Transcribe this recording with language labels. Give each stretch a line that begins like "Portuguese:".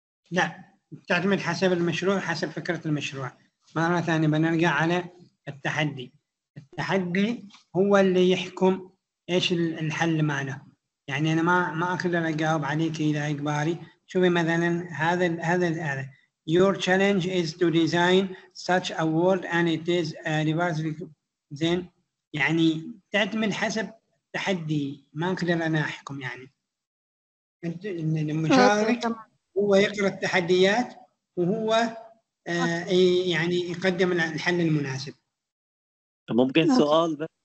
Arabic: لا تعتمد حسب المشروع حسب فكرة المشروع. مرة ثانية بنرجع على التحدي. التحدي هو اللي يحكم ايش الحل معنا. يعني انا ما اقدر اجاوب عليك الى اجباري. شوفي مثلا هذا
English: your challenge is to design such a world and it is reversible then.
Arabic: يعني تعتمد حسب التحدي ما اقدر انا احكم. يعني المشارك هو يقرا التحديات وهو يعني يقدم الحل المناسب. ممكن سؤال